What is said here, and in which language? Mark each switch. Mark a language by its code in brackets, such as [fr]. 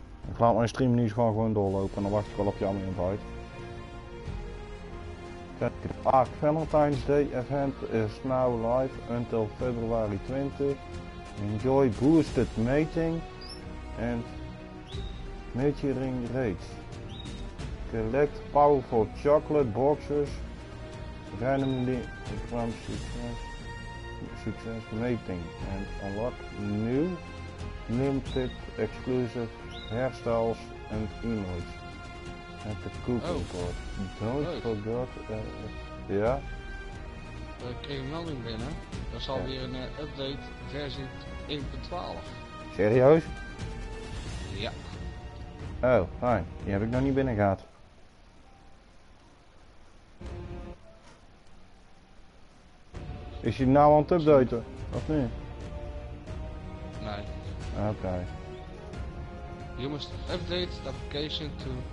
[nl] Ik laat mijn stream nu gewoon doorlopen en dan wacht ik wel op jouw invite. [en] Ah, Valentine's Day event is now live until February 20. Enjoy boosted mating and maturing rates. Collect powerful chocolate boxes randomly from success, success meeting and unlock new limited exclusive hairstyles and emotes at the cooking court. Don't forget, ja? [nl] We kregen een melding binnen, dat is alweer een update versie 1.12. Serieus? Ja. Oh, fijn. Die heb ik nog niet binnen gehad. Is hij nou aan het updaten? Of niet? Nee. Oké. Okay. [en] You must update the application to...